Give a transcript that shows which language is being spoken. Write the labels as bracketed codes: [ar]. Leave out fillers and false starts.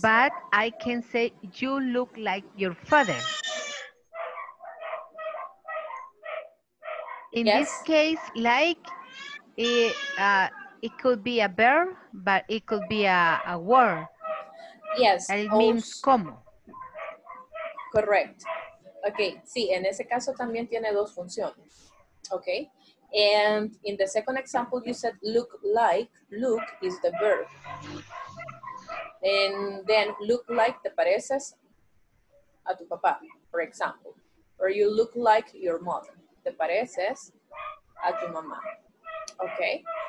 [en] But I can say you look like your father. In yes. this case, like, it could be a verb, but it could be a word. Yes. And it means como. Correct. [es] Okay, sí, en ese caso también tiene dos funciones. [en] Okay. And in the second example, you said look like, look is the verb. And then look like [es] te pareces a tu papá, [en] for example. Or you look like your mother. [es] Te pareces a tu mamá. [en] Okay.